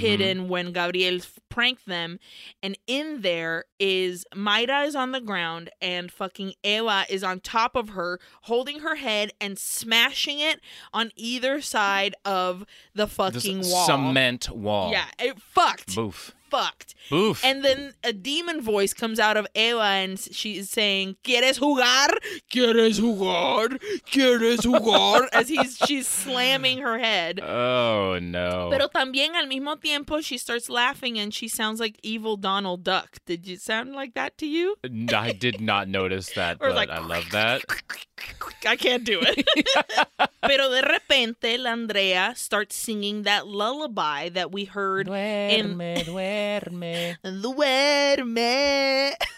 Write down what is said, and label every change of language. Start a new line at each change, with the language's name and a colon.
English: hid in when Gabriel pranked them. And in there is Mayra is on the ground, and fucking Eva is on top of her, holding her head and smashing it on either side of the fucking this wall. Cement wall. Yeah, it fucked. Boof. Fucked. Oof. And then a demon voice comes out of Eva and she's saying, ¿Quieres jugar?
Spanish: ¿Quieres jugar? ¿Quieres jugar?
English: As she's slamming her head. Oh, no. Pero también al mismo tiempo she starts laughing and she sounds like evil Donald Duck. Did you sound like that to you? I did not notice that, but like, I love that. I can't do it. Pero de repente, la Andrea starts singing that lullaby that we heard.
Spanish: Duerme, in... duerme. Duerme.